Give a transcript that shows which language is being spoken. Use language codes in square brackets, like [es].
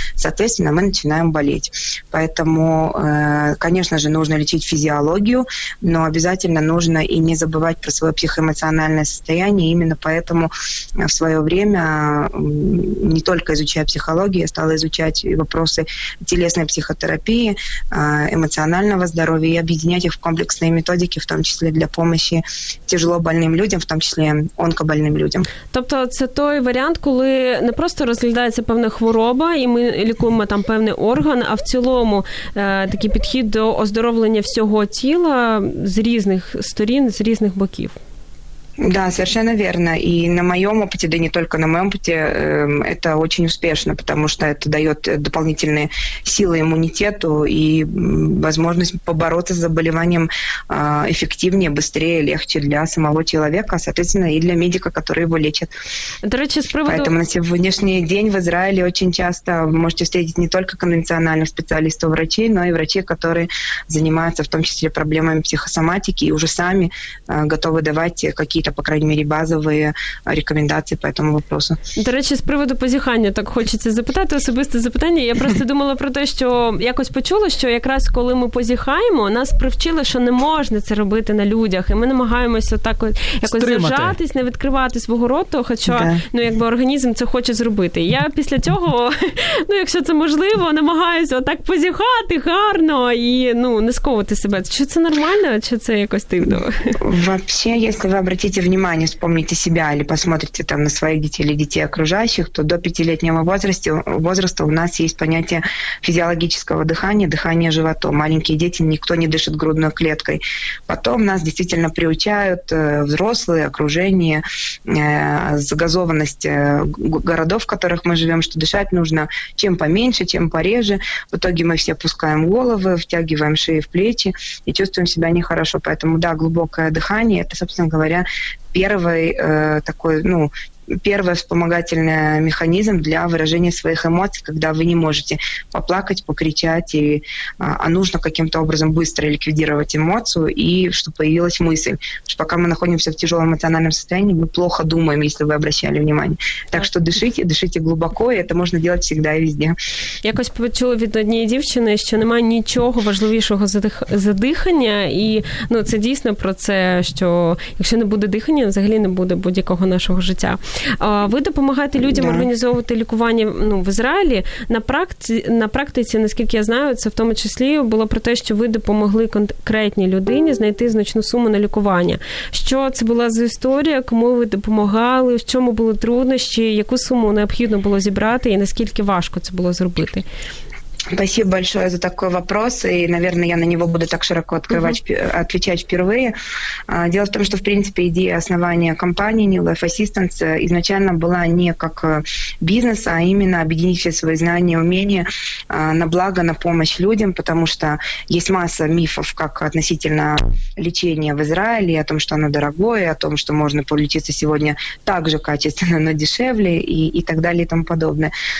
[ru] Соответственно, мы начинаем болеть. Поэтому, конечно же, нужно лечить физиологию, но обязательно нужно и не забывать про свое психоэмоциональное состояние. Именно поэтому в свое время не только изучая психологию, я стала изучать вопросы телесной психотерапии, эмоционального здоровья и объединять их в комплексные методики, в том числе для помощи тяжело больним людям, в том числе онкобольним людям. [uk] Тобто це той варіант, коли не просто розглядається певна хвороба, і ми лікуємо там певний орган, а в цілому такий підхід до оздоровлення всього тіла з різних сторін, з різних боків. [ru] Да, совершенно верно. И на моем опыте, да не только на моем опыте, это очень успешно, потому что это дает дополнительные силы иммунитету и возможность побороться с заболеванием эффективнее, быстрее, легче для самого человека, соответственно, и для медика, который его лечит. До речи, с приводу... Поэтому на сегодняшний день в Израиле очень часто вы можете встретить не только конвенциональных специалистов-врачей, но и врачей, которые занимаются в том числе проблемами психосоматики и уже сами готовы давать какие-то по крайней мере, [uk] базові рекомендації по цьому [ru] вопросу. [uk] До речі, з приводу позіхання, так хочеться запитати, особисте запитання. Я просто думала про те, що якось почула, що якраз коли ми позіхаємо, нас привчили, що не можна це робити на людях, і ми намагаємося так якось зажатись, не відкривати свого роту, хоча, ну, якби організм це хоче зробити. Я після цього, ну, якщо це можливо, намагаюся отак позіхати гарно і, ну, не сковувати себе. Чи це нормально, чи це якось дивно? Взагалі, якщо ви [ru] обратите внимание, вспомните себя или посмотрите там на своих детей или детей окружающих, то до 5-летнего возраста у нас есть понятие физиологического дыхания, дыхания живота. Маленькие дети, никто не дышит грудной клеткой. Потом нас действительно приучают взрослые, окружение, загазованность городов, в которых мы живем, что дышать нужно чем поменьше, чем пореже. В итоге мы все опускаем головы, втягиваем шеи в плечи и чувствуем себя нехорошо. Поэтому, да, глубокое дыхание, это, собственно говоря, первый такой, ну, первый вспомогательный механизм для выражения своих эмоций, когда вы не можете поплакать, покричать, а нужно каким-то образом быстро ликвидировать эмоцию, и чтобы появилась мысль. Потому что пока мы находимся в тяжелом эмоциональном состоянии, мы плохо думаем, если вы обращали внимание. Так что дышите, дышите глубоко, и это можно делать всегда и везде. [uk] Якось почула від однієї дівчини, що немає нічого важливішого за дихання, і, ну, це дійсно про це, що якщо не буде дихання, взагалі не буде будь-якого нашого життя. Ви допомагаєте людям організовувати лікування, ну, в Ізраїлі. На практиці, наскільки я знаю, це в тому числі було про те, що ви допомогли конкретній людині знайти значну суму на лікування. Що це була за історія, кому ви допомагали, в чому були труднощі, яку суму необхідно було зібрати і наскільки важко це було зробити? [ru] Спасибо большое за такой вопрос, и, наверное, я на него буду так широко отвечать впервые. Дело в том, что, в принципе, идея основания компании New Life Assistance изначально была не как бизнес, а именно объединить все свои знания и умения на благо, на помощь людям, потому что есть масса мифов как относительно лечения в Израиле, о том, что оно дорогое, о том, что можно полечиться сегодня так же качественно, но дешевле и так далее и тому подобное.